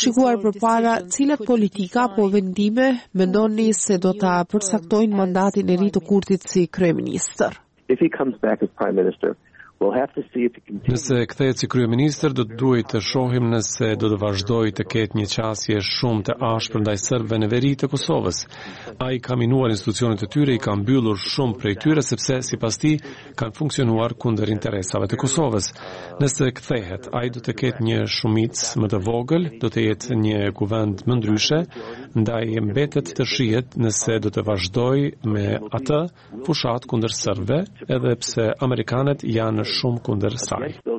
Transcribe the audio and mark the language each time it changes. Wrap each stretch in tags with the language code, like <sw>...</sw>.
<sq>Shikuar përpara, cilat politika apo vendime mendoni se do ta përcaktojnë mandatin e ri të Kurtit si kryeministër?</sq> <en>If he comes back as prime minister, we'll have to see if it continues.</en> <sq>Nëse kthehet si kryeministër, do të duhet të shohim nëse do të vazhdojë të ketë një qasje shumë të ashpër ndaj serbëve në veri të Kosovës. Ai ka minuar institucionet e tyre, i ka mbyllur shumë prej tyre sepse sipas tij kanë funksionuar kundër interesave të Kosovës. Nëse kthehet, ai do të ketë një shumicë më të vogël, do të jetë një kuvend më ndryshe, ndaj mbetet të shihet nëse do të vazhdojë me atë fushat kundër serbëve, edë pse amerikanët janë në shumë kundër saj.</sq>